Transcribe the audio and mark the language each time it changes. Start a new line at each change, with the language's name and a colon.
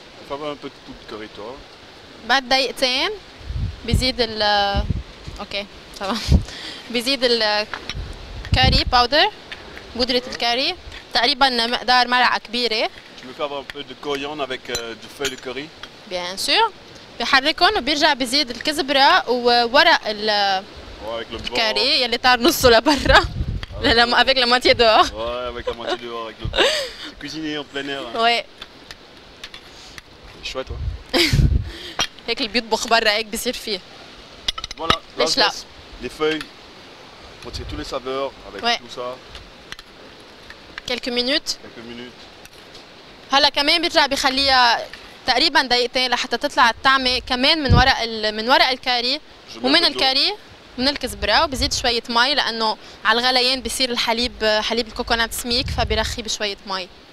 Arabic: فبقى ان بيتو دو كوريتو. بعد دقيقتين بزيد ال اوكي تمام بزيد الكاري باودر بودرة الكاري تقريبا مقدار ملعقة كبيرة.
French: Tu me fais avoir un peu de coriandre avec du feuille de curry. Bien sûr.
Arabic: بحركهم وبيرجع بزيد الكزبرة وورق ال الكاري يلي طار نصه لبرا.
French: Avec la moitié dehors. Ouais, avec la moitié dehors, avec le beurre. Cuisiner en plein air. Ouais. C'est chouette, toi.
Arabic: هيك اللي بيطبخ برا هيك بصير فيه.
French: Voilà.
Arabic: ليش لا؟
French: Les feuilles, on tire tous les saveurs avec ouais. tout ça. Quelques minutes. Quelques minutes.
Arabic: هلا كمان بيرجع بيخليها تقريبا دقيقتين لحتى تطلع الطعمة كمان من ورق ال من ورق الكاري ومن الكاري من الكزبرة وبزيد شوية مي لأنه على الغليان بيصير الحليب حليب الكوكونات سميك فبرخي بشوية مي.